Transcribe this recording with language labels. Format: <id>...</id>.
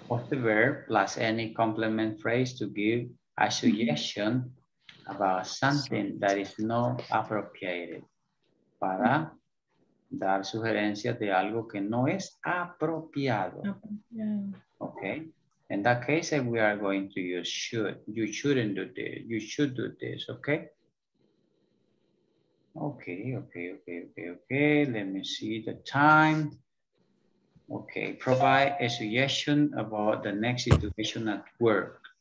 <en>Of the verb plus any complement phrase to give a suggestion about something that is not appropriate.</en> <es>Para dar sugerencias de algo que no es apropiado.</es> <en>Okay. In that case, we are going to use should. You shouldn't do this. You should do this. Okay. Okay. Let me see the time. Okay, provide a suggestion about the next situation at work.</en>